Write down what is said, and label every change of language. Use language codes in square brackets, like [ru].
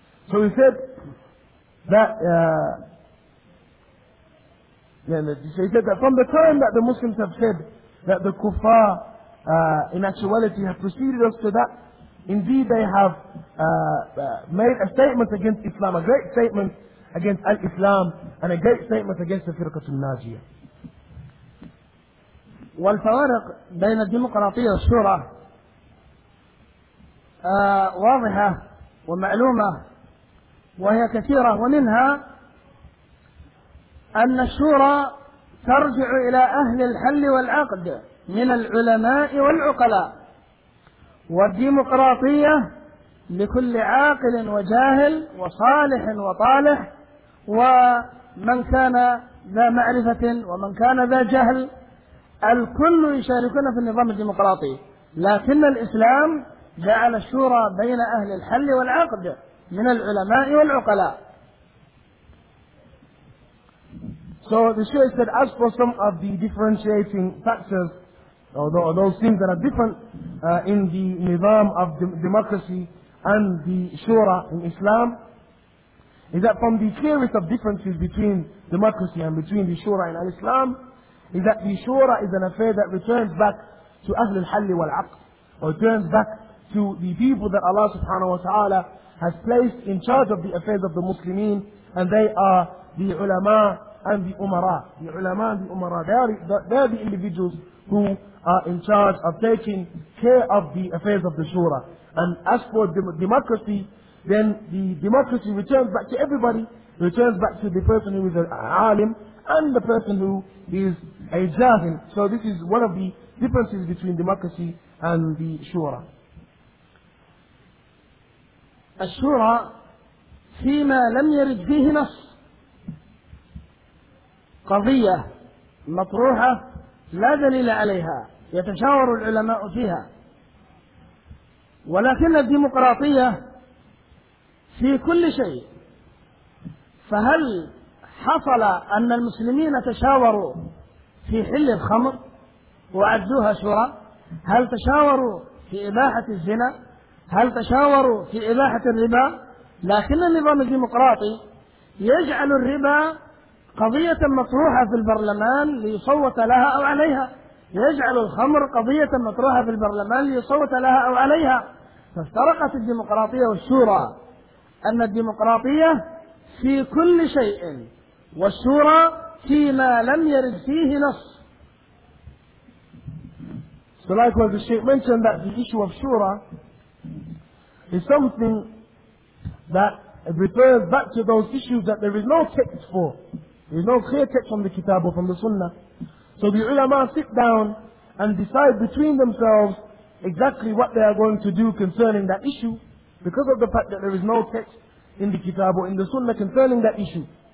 [en] So he said that from the time that the Muslims have said that the kuffar in actuality have preceded us to that, indeed they have made a statement against Islam, a great statement against al-Islam, and a great statement against the Firqat al-Najiyah. [ar] والفوارق بين الديمقراطية والشورى واضحة ومعلومة وهي كثيرة، ومنها أن الشورى ترجع إلى أهل الحل والعقد من العلماء والعقلاء، والديمقراطية لكل عاقل وجاهل وصالح وطالح ومن كان ذا معرفة ومن كان ذا جهل، الكل يشاركون في النظام الديمقراطي. لكن الإسلام جعل الشورى بين أهل الحل والعقد من العلماء والعقلاء. [en] So the Shaykh said, as for some of the differentiating factors, or those things that are different in the Nizam of democracy and the Shura in Islam, is that from the clearest of differences between democracy and between the Shura in Islam, is that the Shura is an affair that returns back to Ahl al-Halli wal-Aqd, or turns back to the people that Allah subhanahu wa ta'ala has placed in charge of the affairs of the Muslimin, and they are the ulama and the umara. The ulama and the umara, they are the individuals who are in charge of taking care of the affairs of the Shura. And as for democracy, then the democracy returns back to everybody, returns back to the person who is an alim and the person who is a jahil. So this is one of the differences between democracy and the shura. [ar] الشورى فيما لم يرد فيه نص قضية مطروحة لا دليل عليها يتشاور العلماء فيها، ولكن الديمقراطية في كل شيء، فهل حصل أن المسلمين تشاوروا في حل الخمر وعدوها شورى؟ هل تشاوروا في إباحة الزنا؟ هل تشاوروا في إباحة الربا؟ لكن النظام الديمقراطي يجعل الربا قضية مطروحة في البرلمان ليصوت لها أو عليها، يجعل الخمر قضية مطروحة في البرلمان ليصوت لها أو عليها. فافترقت الديمقراطية والشورى، أن الديمقراطية في كل شيء والشورى فيما لم يرد فيه نص. [en] So likewise the Sheikh mentioned that the issue of shura is something that refers back to those issues that there is no text for. There is no clear text from the Kitab or from the Sunnah. So the ulama sit down and decide between themselves exactly what they are going to do concerning that issue, because of the fact that there is no text in the Kitab or in the Sunnah concerning that issue.